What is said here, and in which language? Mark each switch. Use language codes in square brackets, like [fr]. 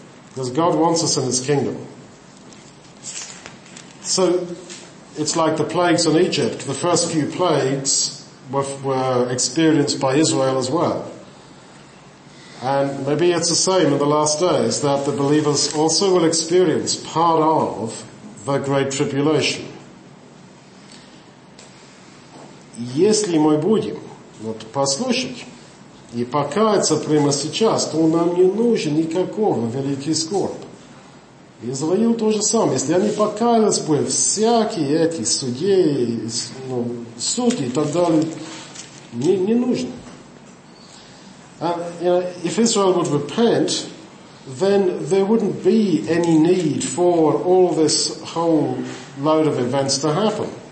[en] Because God wants us in His kingdom. So, it's like the plagues in Egypt. The first few plagues were experienced by Israel as well. And maybe it's the same in the last days, that the believers also will experience part of the Great Tribulation. [ru] Если мы будем послушать и покаяться прямо сейчас, то нам не нужен никакого великий скорбь. Израил то же самое. Если они покаялись бы, всякие эти судьи, судьи и так далее, не нужно. [en] If Israel would repent, then there wouldn't be any need for all this whole load of events to happen.